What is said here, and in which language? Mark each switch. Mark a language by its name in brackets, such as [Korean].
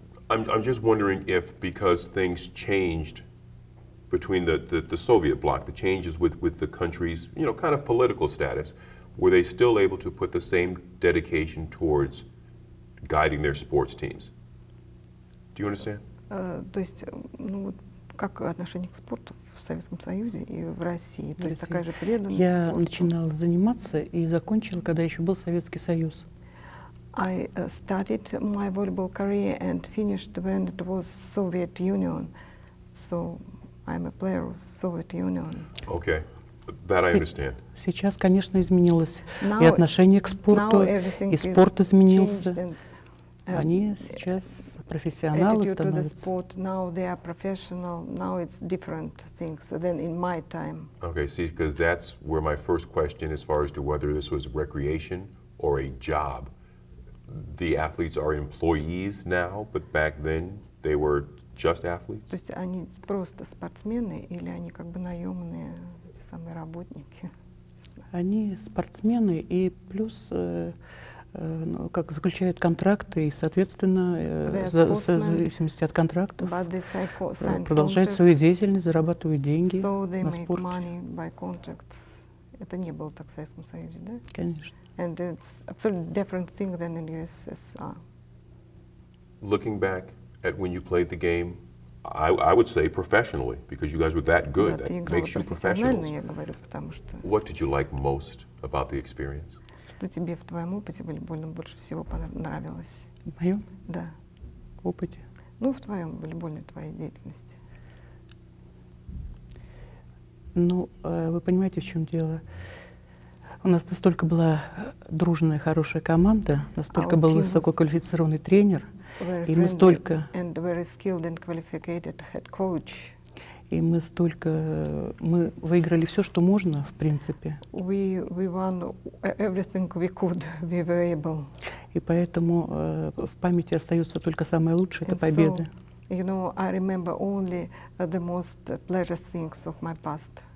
[English] I'm just wondering if because things changed between the Soviet bloc, the changes with the country's, you know, kind of political status, were they still able to put the same dedication towards guiding their sports teams. Do you understand? [Russian] То есть, ну, как отношение к спорту в Советском Союзе и в России? То есть такая же преданность я спорту? Я начинала заниматься и закончила, когда еще был Советский Союз. [English] I started my volleyball career and finished when it was Soviet Union. So I'm a player of Soviet Union. Okay. That I understand. [Russian] Сейчас, конечно, изменилось и отношение к спорту, и спорт изменился. Они сейчас профессионалы становятся. [English] Now it's different things than in my time. Okay, see, because that's where my first question as far as to whether this was recreation or a job. The athletes are employees now, but back then they were just athletes. [Russian] То есть они просто спортсмены или они как бы наемные? Самые работники. Они спортсмены и плюс ну, как заключают контракты и соответственно в зависимости от контрактов продолжают свою деятельность, зарабатывают деньги [English] so they [Russian] на спорте. [English] Money by contracts. [Russian] Это не было так в Советском Союзе, да? Конечно. [English] And it's absolutely different thing than in USSR. Looking back at when you played the game, I would say professionally, because you guys were that good, [Russian] да, [English] that makes you professionals. [Russian] Я говорю, потому что... [English] What did you like most about the experience? [Russian] Что тебе в твоем опыте волейбольном больше всего понравилось? В моем? Да. В опыте? Ну, в твоем волейбольной твоей деятельности. Ну, вы понимаете, в чем дело? У нас настолько была дружная, хорошая команда, настолько был высококвалифицированный тренер. [English] Very friendly and very skilled and qualified head coach. [Russian] И мы выиграли все, что можно, в принципе. [English] We won everything we could, we were able. [Russian] И поэтому в памяти остается только самое лучшее, это победы. [English] So, you know, I remember only the most pleasure things of my past.